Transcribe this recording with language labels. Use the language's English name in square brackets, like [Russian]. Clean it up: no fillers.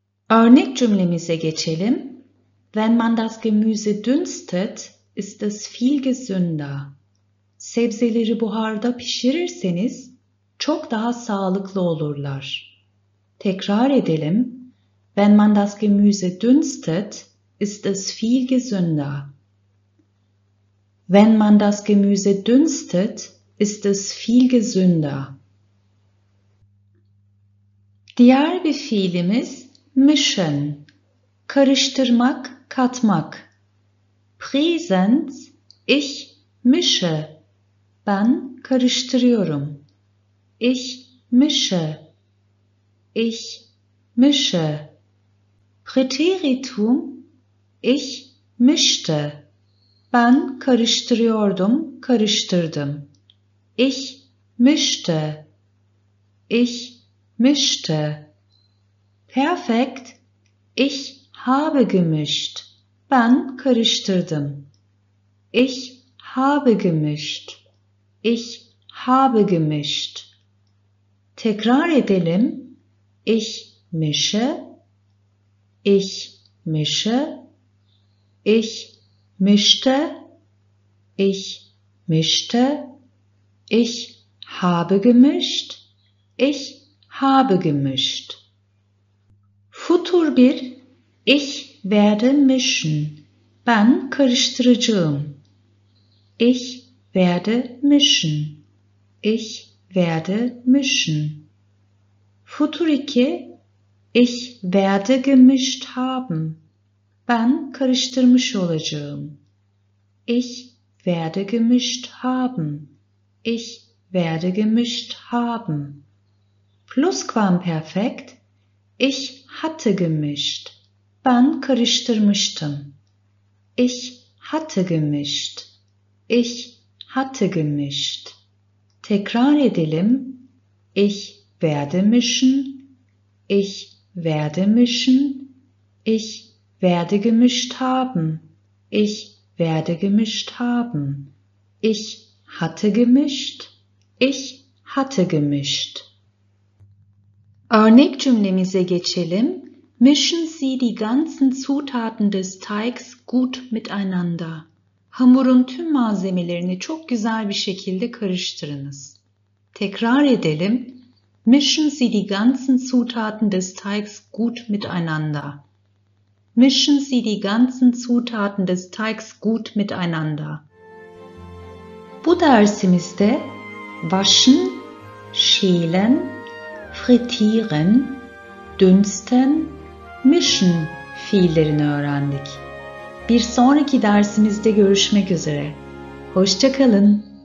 [Turkish] Örnek cümlemize geçelim. [German] Wenn man das Gemüse dünstet, ist es viel gesünder. [Turkish] Sebzeleri buharda pişirirseniz çok daha sağlıklı olurlar. Tekrar edelim. [German] Wenn man das Gemüse dünstet, ist es viel gesünder. Wenn man das Gemüse dünstet, ist es viel gesünder. [Turkish] Diğer bir fiilimiz mischen. Karıştırmak, katmak. [German] Präsens, ich mische. [Turkish] Ben karıştırıyorum. [German] Ich mische. Ich mische. Präteritum, ich mischte. [Turkish] Ben karıştırıyordum, karıştırdım. [German] Ich mischte. Ich mischte. Perfekt. Ich habe gemischt. [Turkish] Ben karıştırdım. [German] Ich habe gemischt. Ich habe gemischt. [Turkish] Tekrar edelim. [German] Ich mische. Ich mische. Ich mischte. Ich mischte. Ich habe gemischt. Ich habe gemischt. Futur 1. Ich werde mischen. [Turkish] Ben karıştıracağım. [German] Ich werde mischen. Ich werde mischen. Futur 2. Ich werde gemischt haben. [Turkish] Ben karıştırmış olacağım. [German] Ich werde gemischt haben. Ich werde gemischt haben. Plusquamperfekt. Ich hatte gemischt. [Turkish] Ben karıştırmıştım. [German] Ich hatte gemischt. Ich hatte gemischt. [Turkish] Tekrar edelim. [German] Ich werde mischen. Ich werde mischen. Ich werde gemischt haben. Ich werde gemischt haben. Ich hatte gemischt. Ich hatte gemischt. [Turkish] Örnek cümlemize geçelim. [German] Mischen Sie die ganzen Zutaten des Teigs gut miteinander. [Turkish] Hamurun tüm malzemelerini çok güzel bir şekilde karıştırınız. Tekrar edelim. [German] Mischen Sie die ganzen Zutaten des Teigs gut miteinander. Mischen Sie die ganzen Zutaten des Teigs gut miteinander. [Turkish] Bu dersimizde waschen, schälen, frittieren, dünsten, mischen fiillerini öğrendik. Bir sonraki dersimizde görüşmek üzere. Hoşça kalın.